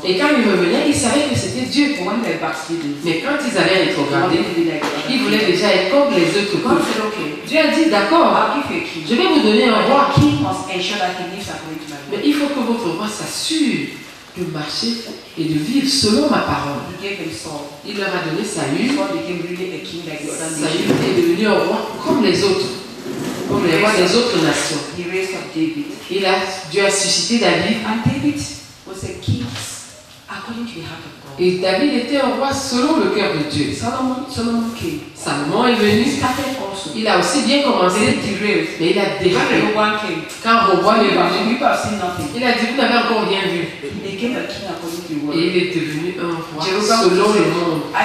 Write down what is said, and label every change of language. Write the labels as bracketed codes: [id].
[fr] Et quand ils revenaient, ils savaient que c'était Dieu. [en] When they backslidden. [fr] Mais quand ils allaient être regardés, ils voulaient déjà être comme les autres. [en] God said, okay. [fr] Dieu a dit, d'accord, [en] I'll give you a king. [fr] Je vais vous donner un roi. [en] He must ensure that he lives according to my word. [fr] Mais il faut que votre roi s'assure de marcher et de vivre selon ma parole. [en] He gave him Saul. [fr] Il leur a donné Saül. [en] Saul became really a king like the other nations. [fr] Saül est devenu un roi comme les autres, comme les rois des autres nations. [en] He raised up David. [fr] Dieu a suscité David. [en] And David was a king according to the heart of God. [fr] Et David était un roi selon le cœur de Dieu. Salomon est venu. [en] Also. [fr] Il a aussi bien commencé. Mais il a déraillé. Quand Rehoboam est venu, il a dit, vous n'avez encore rien vu. Et il est devenu un roi selon le monde.